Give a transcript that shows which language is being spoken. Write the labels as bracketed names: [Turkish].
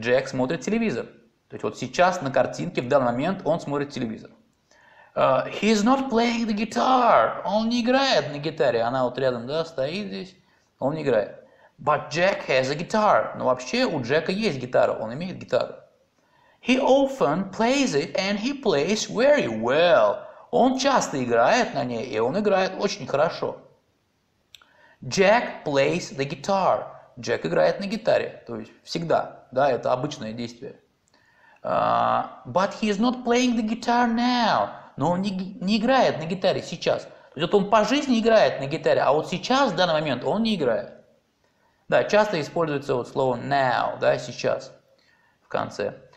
[Russian] Jack смотрит телевизор. То есть вот сейчас на картинке, в данный момент он смотрит телевизор. [English] He's not playing the guitar. [Russian] Он не играет на гитаре. Она вот рядом, да, стоит здесь. Он не играет. [English] But Jack has a guitar. [Russian] Но вообще у Джека есть гитара, он имеет гитару. [English] He often plays it and he plays very well. [Russian] Он часто играет на ней, и он играет очень хорошо. [English] Jack plays the guitar. [Russian] Джек играет на гитаре, то есть всегда, да, это обычное действие. [English] But he is not playing the guitar now. [Russian] Но он не играет на гитаре сейчас. То есть вот он по жизни играет на гитаре, а вот сейчас, в данный момент, он не играет. Да, часто используется вот слово now, да, сейчас, в конце.